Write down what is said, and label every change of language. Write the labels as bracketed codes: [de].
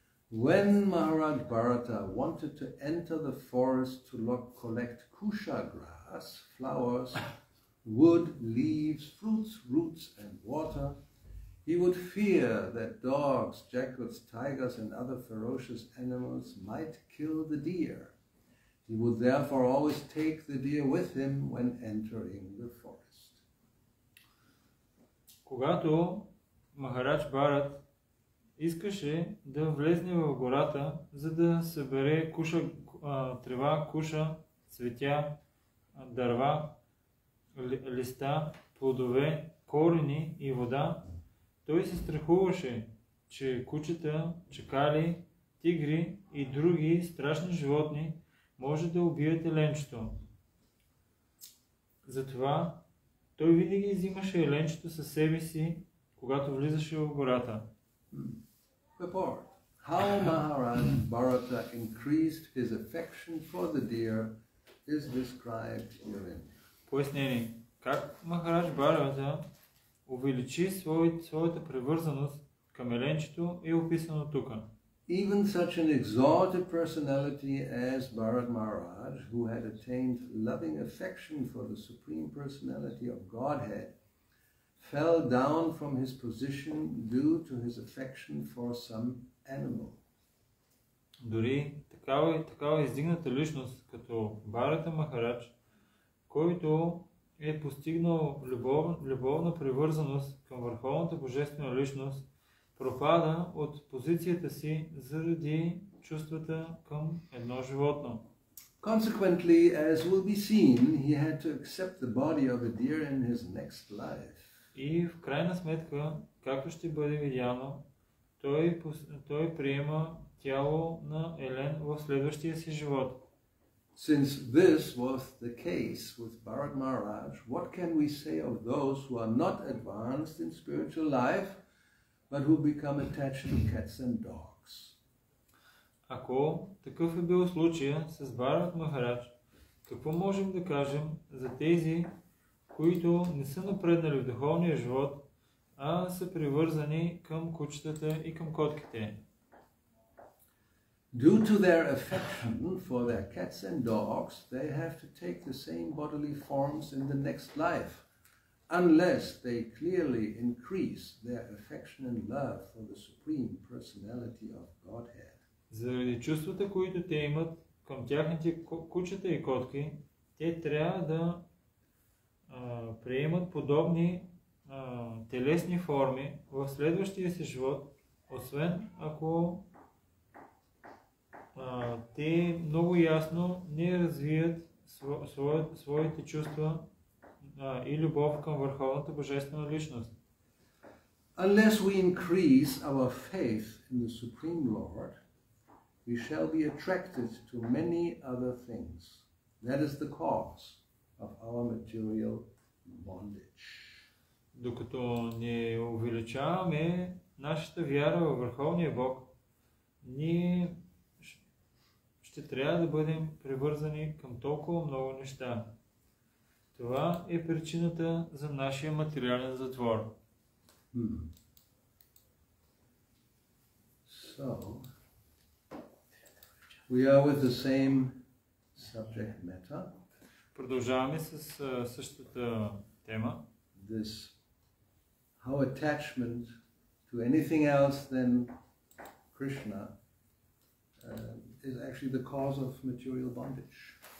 [en] When Maharaj Bharata wanted to enter the forest to collect kusha grass, flowers, wood, leaves, fruits, roots and water, he would fear that dogs, jackals, tigers, and other ferocious animals might kill the deer. He would therefore always take the deer with him when entering the forest. [bg] Когато Махарадж Барат искаше да влезне в гората, за да събере куша, трева, куша, цветя, дърва, листа, плодове, корени и вода, той се страхуваше, че кучета, чакали, тигри и други страшни животни може да убият еленчето. Затова той винаги взимаше еленчето със себе си, когато влизаше в гората. [en] Report. How Maharaj Bharata increased his affection for the deer is described herein. [bg] Пояснение. Как Махарадж Бхарата увеличи своята привързаност към еленчето е описано тук. [en] Even such an exalted personality as Bharat Maharaj, who had attained loving affection for the Supreme Personality of Godhead, fell down from his position due to his affection for some animal. [bg] Дори такава издигната личност като Бхарата Махарадж, който е постигнал любовна привързаност към върховната божествена личност, пропада от позицията си заради чувствата към едно животно. [en] Consequently, as will be seen, he had to accept the body of a deer in his next life. [bg] И в крайна сметка, както ще бъде видяно, той приема тяло на елен в следващия си живот. [en] Since this was the case with Bharat Maharaj, what can we say of those who are not advanced in spiritual life, but who become attached to cats and dogs? [bg] Ако такъв е бил случая с Бхарат Махарадж, какво можем да кажем за тези, които не са напреднали в духовния живот, а са привързани към кучетата и към котките. [en] Due to their affection for their cats and dogs, they have to take the same bodily forms in the next life, unless they clearly increase their affection and love for the Supreme Personality of Godhead. [bg] Заради чувствата, които те имат към тяхните кучета и котки, те трябва да приемат подобни телесни форми в следващия си живот, освен ако те много ясно не развият своите чувства и любов към Върховната Божествена Личност. [en] Unless we increase our faith in the Supreme Lord, we shall be attracted to many other things. That is the cause of our material bondage. [bg] Докато не увеличаваме нашата вяра във Върховния Бог, ние ще трябва да бъдем привързани към толкова много неща. Това е причината за нашия материален затвор. [en] So, we are with the same subject matter. [bg] Продължаваме с същата тема. [en] This, how attachment to anything else than Krishna is actually the cause of material bondage.